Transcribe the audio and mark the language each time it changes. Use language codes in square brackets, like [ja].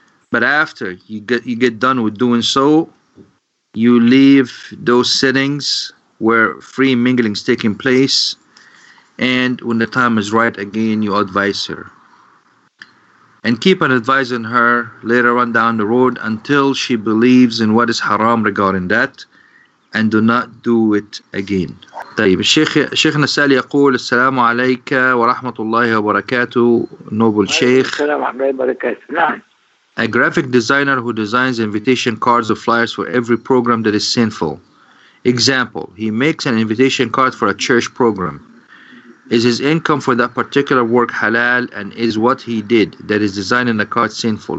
[en] But after you get done with doing so, you leave those settings where free mingling is taking place, and when the time is right again, you advise her. And keep on advising her later on down the road until she believes in what is haram regarding that, and do not do it again. [ar] طيب الشيخ نسال يقول السلام عليك ورحمة الله وبركاته نوبل شيخ. السلام عليكم وبركاته. نعم. [en] A graphic designer who designs invitation cards or flyers for every program that is sinful. Example, he makes an invitation card for a church program. Is his income for that particular work halal, and is what he did that is designing the card sinful?